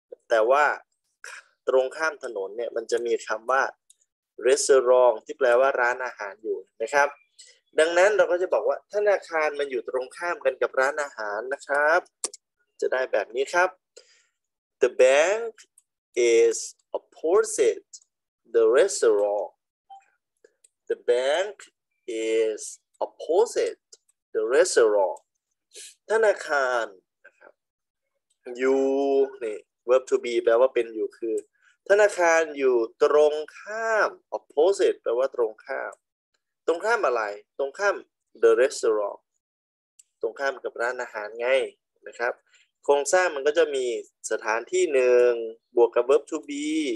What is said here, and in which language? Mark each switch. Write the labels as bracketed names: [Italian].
[Thai] แต่ว่าตรงข้ามถนนเนี่ยมันจะมีคำว่า restaurant ที่แปลว่าร้านอาหารอยู่นะครับดังนั้นเราก็จะบอกว่าธนาคารมันอยู่ตรงข้ามกันกับร้านอาหารนะครับจะได้แบบนี้ครับ [English] The bank is opposite the restaurant. The bank is opposite the restaurant. [Thai] ธนาคารนะครับ you นี่ verb to be แปลว่าเป็นอยู่คือธนาคารอยู่ตรงข้าม opposite แปลว่าตรงข้ามตรงข้ามอะไรตรงข้าม [English] the restaurant [Thai] ตรงข้ามกับร้านอาหารไงนะครับโครงสร้างมันก็จะมีสถานที่หนึ่งบวกกับ verb to be